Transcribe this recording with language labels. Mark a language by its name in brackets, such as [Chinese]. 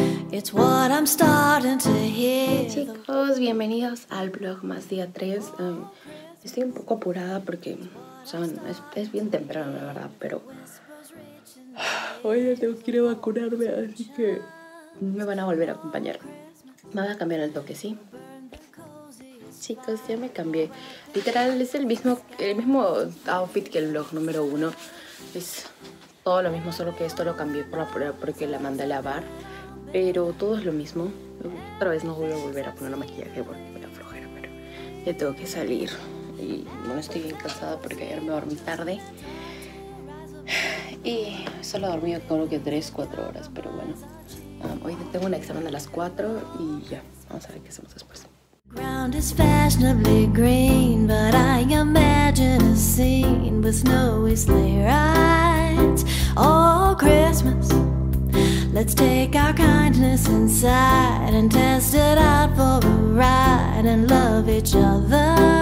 [English] It's what I'm starting to hear. [Spanish] Hola chicos, bienvenidos al Vlogmas día 3. Estoy un poco apurada porque, saben, es bien temprano la verdad, pero hoy ya tengo que ir a vacunarme, así que me van a volver a acompañar. Me voy a cambiar el toque, ¿sí? Chicos, ya me cambié. Literal, es el mismo outfit que el vlog número 1. Es todo lo mismo, solo que esto lo cambié porque la mandé a lavar. Pero todo es lo mismo. Otra vez no voy a volver a poner el maquillaje porque me da flojera, pero ya tengo que salir. Y bueno, estoy bien cansada porque ayer me dormí tarde. Y solo he dormido creo que 3-4 horas, pero bueno. Hoy tengo un examen a las 4 y ya, vamos a ver qué hacemos después. [English] Ground is fashionably green, but I imagine a scene with snowy sleigh rides. Oh, Christmas, let's take our kindness inside and test it out for a ride and love each other.